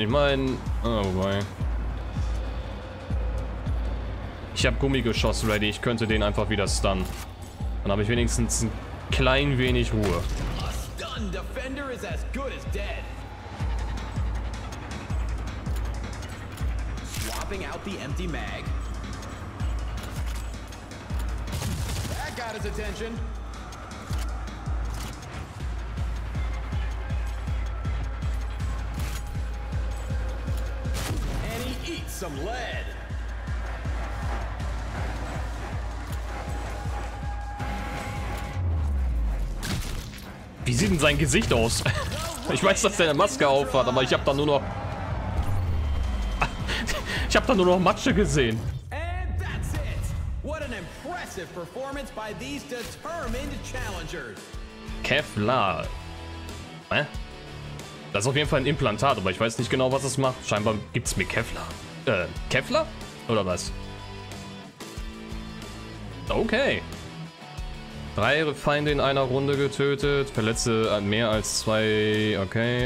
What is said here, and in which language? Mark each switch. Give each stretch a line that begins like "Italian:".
German: Ich meine, oh, wobei. Ich habe Gummigeschoss ready. Ich könnte den einfach wieder stunnen. Dann habe ich wenigstens ein klein wenig Ruhe.
English: A stun defender is as good as dead. Swapping out the empty mag. That got his attention. Some lead.
German: Wie sieht denn sein Gesicht aus? Ich weiß, dass der eine Maske auf hat, aber ich habe da nur noch Matsche gesehen.
English: And that's it. What an impressive performance by these determined challengers.
German: Kevlar. Hä? Das ist auf jeden Fall ein Implantat, aber ich weiß nicht genau, was es macht. Scheinbar gibt's mir Kevlar. Kevlar? Oder was? Okay. Drei Feinde in einer Runde getötet. Verletze mehr als zwei... Okay.